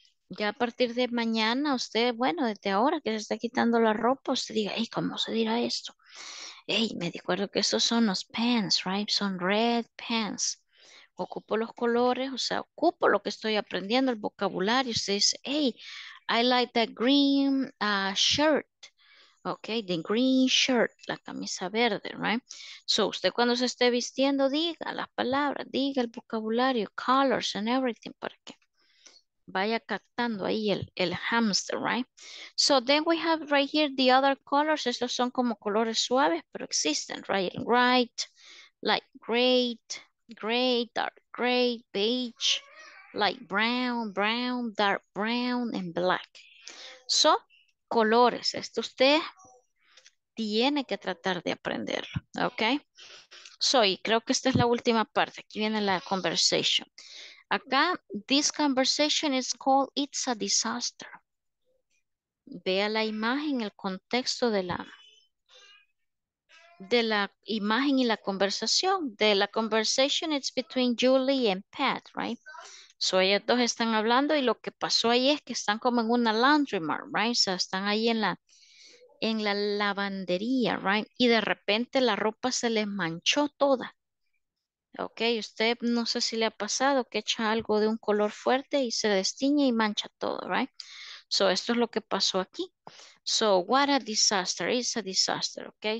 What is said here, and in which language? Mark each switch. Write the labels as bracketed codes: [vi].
[es] Ya a partir de mañana, usted, bueno, desde ahora que se está quitando la ropa, usted diga, hey, ¿cómo se dirá esto? Hey, me acuerdo que estos son los pants, right? Son [en] red pants. [es] Ocupo los colores, o sea, ocupo lo que estoy aprendiendo, el vocabulario. Usted dice, [en] hey, I like that green shirt. Okay, the green shirt, [es] la camisa verde, right? So, usted cuando se esté vistiendo, diga las palabras, diga el vocabulario, [en] colors and everything, [es] ¿para qué? Vaya captando ahí el hamster, right? [en] So then we have right here the other colors. [es] Estos son como colores suaves, pero existen, [en] right? Right, light gray, dark gray, beige, light brown, dark brown, and black. [es] So, colores. Esto usted tiene que tratar de aprenderlo, ¿ok? So, y creo que esta es la última parte. Aquí viene la conversation. Acá, [en] this conversation is called It's a Disaster. [es] Vea la imagen, el contexto de la imagen y la conversación. De la [en] conversation, it's between Julie and Pat, right? [es] So, ellos dos están hablando y lo que pasó ahí es que están como en una laundromat, right? O sea, están ahí en la lavandería, right? Y de repente la ropa se les manchó toda. Ok, usted no sé si le ha pasado que echa algo de un color fuerte y se destiñe y mancha todo, right? So, esto es lo que pasó aquí. [en] So, what a disaster, it's a disaster, ok?